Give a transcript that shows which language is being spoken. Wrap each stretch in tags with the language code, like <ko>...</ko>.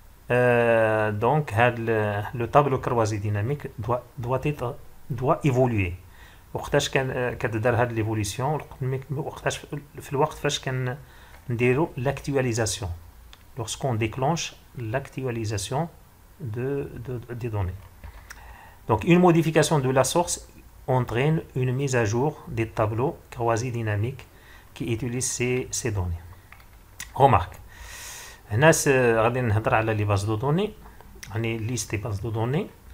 <fr>Donc le tableau croisé dynamique doit évoluer.</fr> <ar>وقتاش كتدار هاد ليفولوسيون وقتاش في الوقت فاش كنديروا لاكتواليزاسيون</ar> <fr>lorsqu'on déclenche l'actualisation des données. Donc une modification de la source entraîne une mise à jour des tableaux croisés dynamiques qui utilisent ces données. Remarque.</fr> <ar>هنا غادي نهضر على لي باز دو دوني، يعني ليست باز دو دوني.</ar>